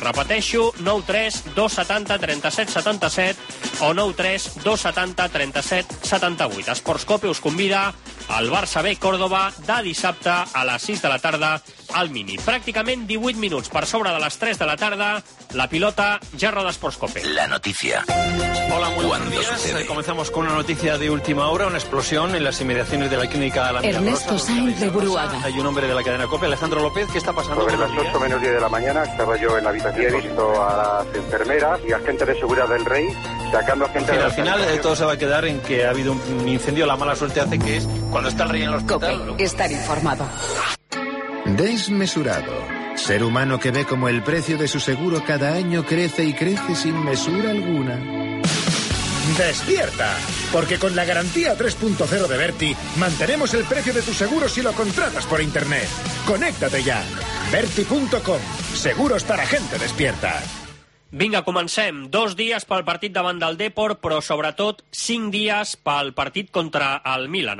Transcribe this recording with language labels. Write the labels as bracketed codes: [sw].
[ca] Repeteixo, 93-270-3777 o 93-270-3778. Esports COPE us convida al Barça B Córdoba de dissabte a les 6 de la tarda al mini. Pràcticament 18 minuts per sobre de les 3 de la tarda, la pilota ja roda Esports COPE. La notícia. [es] Hola, muy buenos días. Sucede. Comenzamos con una noticia de última hora, una explosión en las inmediaciones de la clínica de la Milagrosa. Ernesto Sainz de Buruaga. Hay un hombre de la cadena COPE, Alejandro López, ¿qué está pasando? Sobre las 8 menos 10 de la mañana estaba yo en la habitación. He visto a las enfermeras y agentes de seguridad del Rey sacando a gente. Al final todo se va a quedar en que ha habido un incendio. La mala suerte hace que es cuando está el Rey en el hospital. COPE, estar informado. Desmesurado. Ser humano que ve como el precio de su seguro cada año crece y crece sin mesura alguna. ¡Despierta! Porque con la garantía 3.0 de Verti mantenemos el precio de tu seguro si lo contratas por internet. ¡Conéctate ya! Verti.com. Seguros para gente despierta. [ca] Vinga, comencem. 2 dies pel partit davant del Depor, però sobretot 5 dies pel partit contra el Milan.